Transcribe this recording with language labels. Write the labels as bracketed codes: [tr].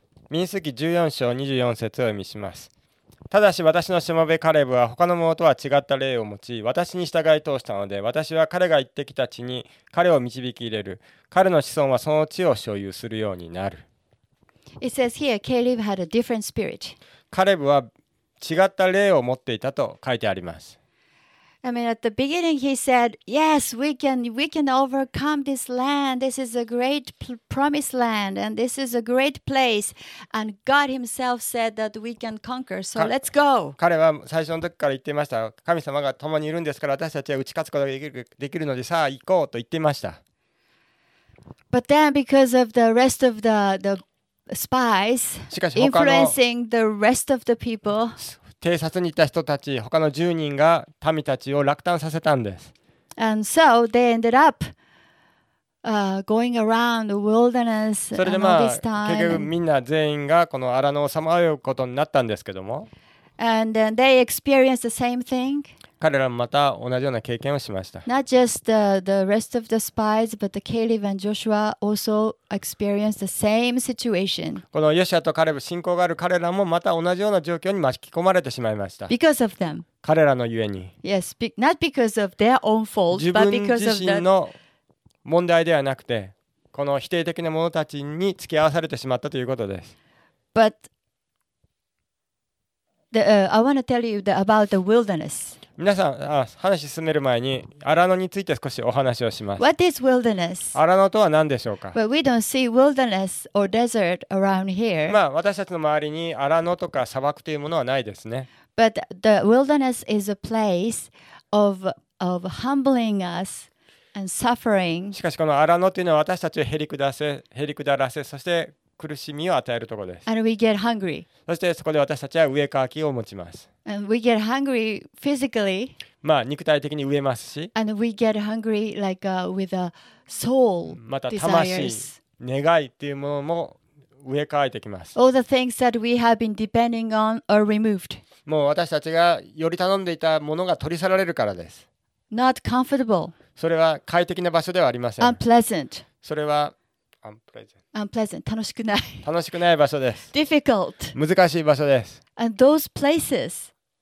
[ja] 民数記14章24節を読みします。ただし私のしもべカレブは他の者とは違った霊を持ち私に従い通したので私は彼が行ってきた地に彼を導き入れる。彼の子孫はその地を所有するようになる。 [en] It says here Caleb had a different spirit. [ja] カレブは違った霊を持っていたと書いてあります。 [en] I mean, at the beginning, he said, "Yes, we can overcome this land. This is a great promised land, and this is a great place." And God Himself said that we can conquer. So let's go. [ja] 彼は最初の時から言っていました。神様が共にいるんですから、私たちは打ち勝つことができる、できるので、さあ行こうと言っていました。 [en] But then, because of the rest of the spies influencing the rest of the people. [ja] 偵察に行った人たち、他の10人が民たちを落胆させたんです。 [en] And so they ended up, going around the wilderness. [ja] それでまあ結局みんな全員がこの荒野をさまようことになったんですけども。 [en] And then they experienced the same thing. [ja] 彼らもまた同じような経験をしました。 [en] Not just the rest of the spies, but the Caleb and Joshua also experienced the same situation. [ja] このヨシアとカレブ、信仰がある彼らもまた同じような状況に巻き込まれてしまいました。 [en] Because of them. [ja] 彼らのゆえに。 [en] Yes, not because of their own fault, but because of [ja] them. 自分自身の問題ではなくて、この否定的な者たちに付き合わされてしまったということです。 [en] But I want to tell you about the wilderness. [ja] 皆さん、話し進める前に荒野について少しお話をします。 [en] What is wilderness? [ja] 荒野とは何でしょうか? [en] But we don't see wilderness or desert around here. [ja] まあ、私たちの周りに荒野とか砂漠というものはないですね。 [en] But the wilderness is a place of humbling us. And suffering. [ja] しかしこの荒野というのは私たちをへりくだらせ、そして苦しみを与えるところです。 [en] And we get hungry. [ja] そしてそこで私たちは飢え渇きを持ちます。 [en] And we get hungry physically. [ja] まあ肉体的に飢えますし。 [en] And we get hungry like with a soul desires. [ja] また魂、願いっていうものも飢え渇いてきます。 [en] All the things that we have been depending on are removed. [ja] もう私たちがより頼んでいたものが取り去られるからです。 [en] Not comfortable. [ja] それは快適な場所ではありません。 [en] Unpleasant. [ja] それは [en] Unpleasant. [ja] 楽しくない。楽しくない場所です。 [en] Difficult. [ja] 難しい場所です。 [en] And those places.